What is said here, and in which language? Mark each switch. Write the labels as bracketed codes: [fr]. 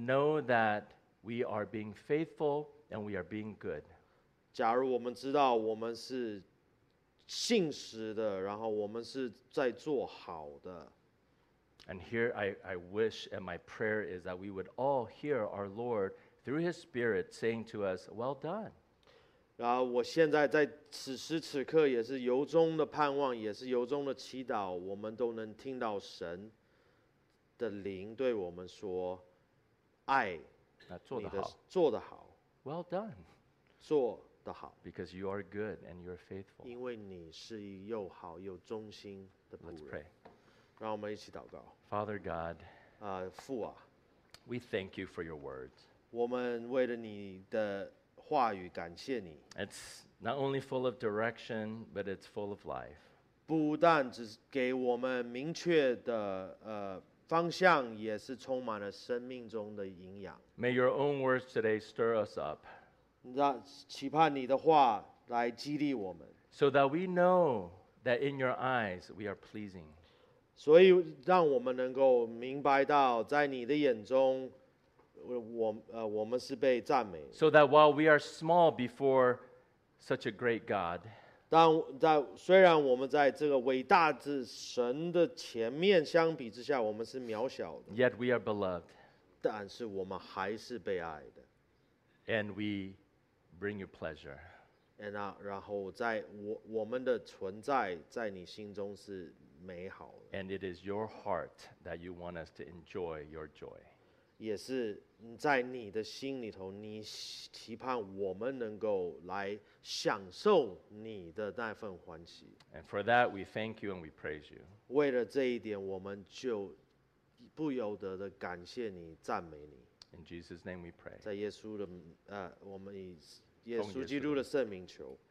[en] ，know that. We are being faithful and we are being good. [zh] 假如我们知道我们是信实的，然后我们是在做好的。 [en] And here I wish and my prayer is that we would all hear our Lord through His Spirit saying to us, "Well done." [zh] 然后我现在在此时此刻也是由衷的盼望，也是由衷的祈祷，我们都能听到神的灵对我们说爱。做得好 [en] Well done. [zh] 做得好 [en] Because you are good and you are faithful. [zh] 因为你是又好又忠心的仆人。 [en] Let's pray. [zh] 让我们一起祷告。 [en] Father God, [zh] 父啊 [en] we thank you for your words. [zh] 我们为了你的话语感谢你。 [en] It's not only full of direction, but it's full of life. [zh] 不但只给我们明确的方向也是充满了生命中的营养。 [en] May your own words today stir us up. [zh] 期盼你的话来激励我们。 [en] So that we know that in your eyes we are pleasing. [zh] 所以让我们能够明白到在你的眼中 我们是被赞美。 [en] So that while we are small before such a great God. [zh] 虽然我们在这个伟大的神的前面相比之下，我们是渺小的。 [en] Yet we are beloved. [zh] 但是我们还是被爱的。 [en] And we bring you pleasure. [zh] 然后在我们的存在在你心中是美好的。 [en] And it is your heart that you want us to enjoy your joy. [zh] 也是在你的心里头，你期盼我们能够来享受你的那份欢喜。 [en] And for that, we thank you and we praise you. [zh] 为了这一点，我们就不由得的感谢你，赞美你。 [en] In Jesus' name we pray. [zh] 在耶稣的我们以耶稣基督的圣名求。